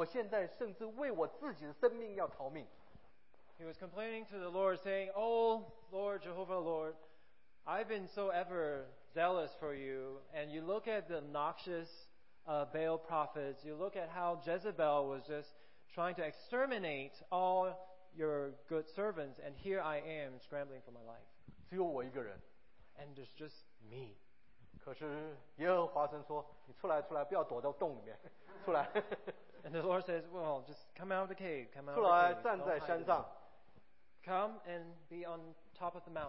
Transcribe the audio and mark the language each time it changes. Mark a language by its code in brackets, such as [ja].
[zh] 以利亚说：“主啊，耶和华神啊，我对你大发热心，你看看那巴利，在那些巴利的先知如何的猖狂。你看，也许别将你的先知都赶尽杀绝了，可你看，我现在甚至为我自己的生命要逃命。” [en] He was complaining to the Lord, saying, oh, Lord Jehovah, Lord, I've been so ever zealous for you, and you look at the noxious Baal prophets, you look at how Jezebel was just trying to exterminate all your good servants, and here I am scrambling for my life. [zh] 只有我一个人, [en] and it's just me. [zh] 可是耶和华神说, 你出来, 不要躲到洞里面, 出来。 [en] And the Lord says, well, just come out of the cave, come out [zh] 出来, [en] of the cave, don't hide. Come and be on top of the mountain.